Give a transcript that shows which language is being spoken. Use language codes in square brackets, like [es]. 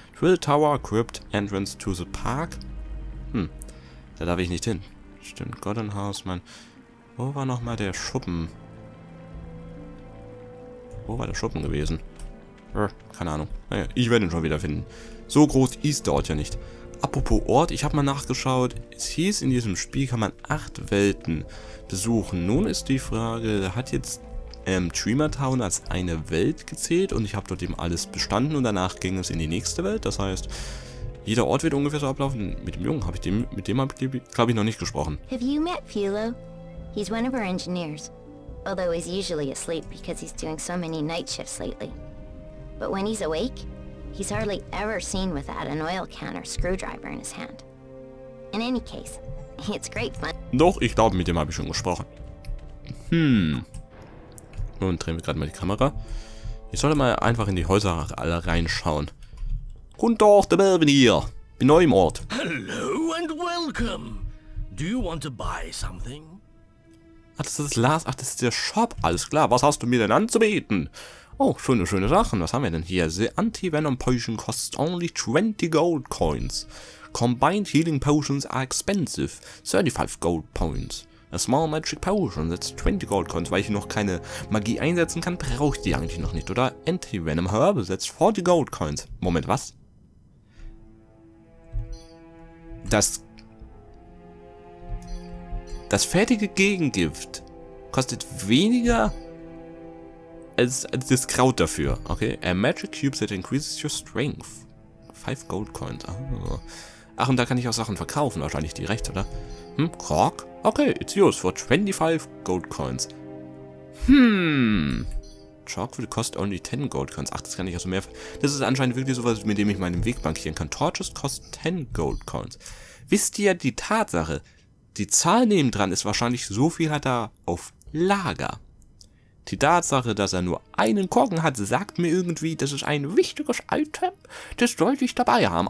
[en] Trill Tower, Crypt, Entrance to the Park. [de] Da darf ich nicht hin. Stimmt, Gordon House, mein... Wo war nochmal der Schuppen? Wo war der Schuppen gewesen? Keine Ahnung. Naja, ich werde ihn schon wieder finden. So groß ist der Ort ja nicht. Apropos Ort, ich habe mal nachgeschaut. Es hieß, in diesem Spiel kann man 8 Welten besuchen. Nun ist die Frage, hat jetzt Dreamertown als eine Welt gezählt? Und ich habe dort eben alles bestanden und danach ging es in die nächste Welt. Das heißt... Jeder Ort wird ungefähr so ablaufen. Mit dem Jungen habe ich glaube ich noch nicht gesprochen. [en] Have you met Philo? He's one of our engineers. Although he's usually asleep because he's doing so many night shifts lately. But when he's awake, he's hardly ever seen without an oil can or screwdriver in his hand. In any case, it's great fun. [de] Doch, ich glaube, mit dem habe ich schon gesprochen. Nun drehen wir gerade mal die Kamera. Ich sollte mal einfach in die Häuser alle reinschauen. Guten Tag, der Melvin hier. Bin neu im Ort. [en] Hello and welcome. Do you want to buy something? [de] Ach, das ist Lars. Ach, das ist der Shop. Alles klar. Was hast du mir denn anzubieten? Oh, schöne Sachen. Was haben wir denn hier? [en] The Anti-Venom Potion costs only 20 Gold Coins. Combined Healing Potions are expensive. 35 Gold Points. A Small Magic Potion, that's 20 Gold Coins. [de] Weil ich noch keine Magie einsetzen kann, brauche ich die eigentlich noch nicht, oder? [en] Anti-Venom Herb, that's 40 Gold Coins. [de] Moment, was? Das fertige Gegengift kostet weniger als das Kraut dafür, okay? [en] A Magic Cube that increases your strength. 5 Gold Coins, [de] ach, und da kann ich auch Sachen verkaufen, wahrscheinlich direkt, oder? Krog? [en] Okay, it's yours for 25 Gold Coins. Chalk will cost only 10 Gold Coins. [de] Ach, das kann ich also mehr... Das ist anscheinend wirklich sowas, mit dem ich meinen Weg bankieren kann. [en] Torches cost 10 Gold Coins. [de] Wisst ihr die Tatsache? Die Zahl nebendran ist wahrscheinlich so viel hat er auf Lager. Die Tatsache, dass er nur einen Korken hat, sagt mir irgendwie, das ist ein wichtiges Item, das sollte ich dabei haben.